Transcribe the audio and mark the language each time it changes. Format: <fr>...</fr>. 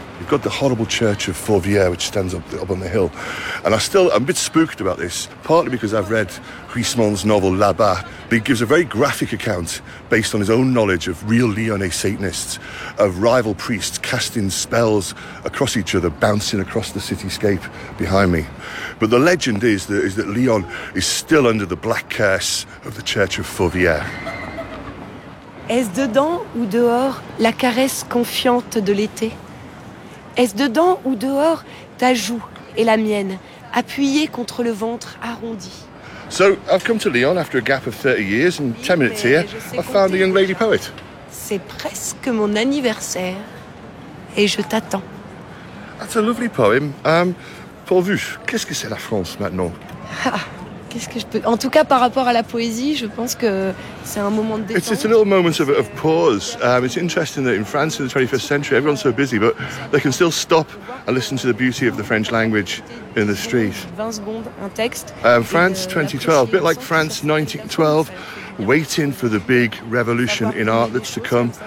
<en>got the horrible church of Fourvière, which stands up, up on the hill. And I'm a bit spooked about this, partly because I've read Huysmans' novel Là-bas, but he gives a very graphic account based on his own knowledge of real Lyonnais Satanists, of rival priests casting spells across each other, bouncing across the cityscape behind me. But the legend is that Lyon is still under the black curse of the church of Fourvière.</en> <fr>Est-ce dedans ou dehors la caresse confiante de l'été? Est-ce dedans ou dehors ta joue et la mienne, appuyée contre le ventre arrondi?</fr> <en>So, I've come to Lyon after a gap of 30 years, and 10 minutes here, I've found a young lady poet.</en> <fr>C'est presque mon anniversaire, et je t'attends.</fr> <en>That's a lovely poem.</en> <fr>Pourvu, qu'est-ce que c'est la France maintenant? En tout cas, par rapport à la poésie, je pense que c'est un moment de détente.</fr> <en>It's a little moment of pause. It's interesting that in France in the 21st century, everyone's so busy, but they can still stop and listen to the beauty of the French language in the street.</en> <fr>20 secondes, un texte.</fr> <en>France 2012, a bit like France 1912, waiting for the big revolution in art that's to come.</en>